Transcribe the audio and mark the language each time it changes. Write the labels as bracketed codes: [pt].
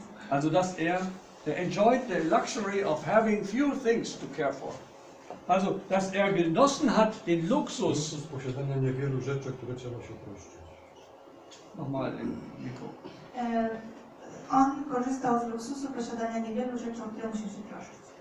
[de] Also dass er [en] enjoyed the luxury of having few things to care for. [de] Also, dass er genossen hat den Luxus. [pl] Luxus posiadania niewielu rzeczy, które trzeba się troszczyć. [de] Nochmal, Nico. [pl] On korzystał z luksusu posiadania niewielu rzeczy, o które musi się troszczyć.